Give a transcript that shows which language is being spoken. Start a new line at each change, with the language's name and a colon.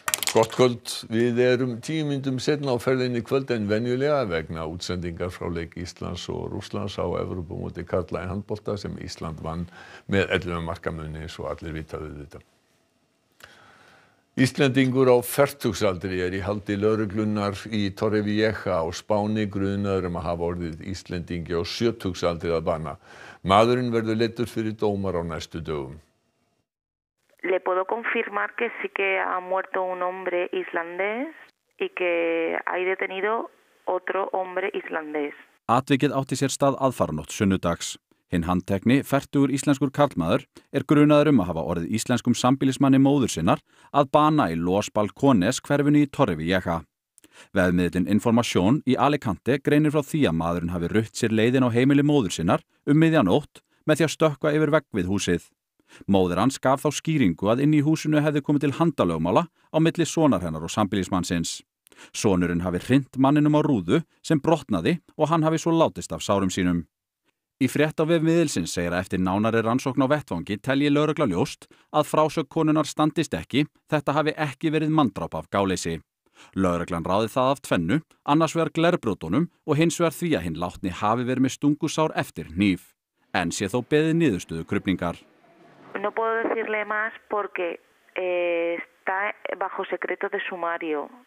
Icelandic: Gott kvöld, við erum 10 mínútum setna á ferðinni kvöld en venjulega vegna útsendingar frá leik Íslands og Rússlands á Evrópumóti karla í handbolta sem Ísland vann með 11 markamuni svo allir vitaðu þetta. Íslendingur á fertugsaldri er í haldi lögreglunnar í Torrevieja á Spáni grunaður að hafa orðið Íslendingi á sjötugsaldri að bana. Maðurinn verður leiddur fyrir dómar á næstu dögum.
Spanish: Le puedo confirmar que sí que ha muerto un hombre islandés y que hay detenido otro hombre islandés.
Icelandic: Atvikið átti sér stað aðfaranótt sunnudags. Hinn handtekni, fertugur íslenskur karlmaður, er grunaður að hafa orðið íslenskum sambýlismanni móður sinnar að bana í Los Balcones hverfinu í Torrevieja. Vefmiðlinn Information í Alicante greinir frá því að maðurinn hafi rutt sér leiðin á heimili móður sinnar miðja nótt með því að stökkva yfir vegg við húsið. Móðir hans gaf þá skýringu að inn í húsinu hefði komið til handalögmála á milli sonar hennar og sambýlismannsins. Sonurinn hafi hrint manninum á rúðu sem brotnaði og hann hafi svo látist af sárum sínum. Í frétt á vef miðilsins segir að eftir nánari rannsókn á vettvangi telji lögregla ljóst að frásögn konunnar standist ekki, þetta hafi ekki verið manndráp af gáleysi. Lögreglan ráði það af tvennu, annars vegar glerbrotunum og hins vegar því að hinn látni hafi verið með stungusár eftir hníf. En sé þó beðið niðurstöðu krufningar.
Spanish: No puedo decirle más porque está bajo secreto de sumario.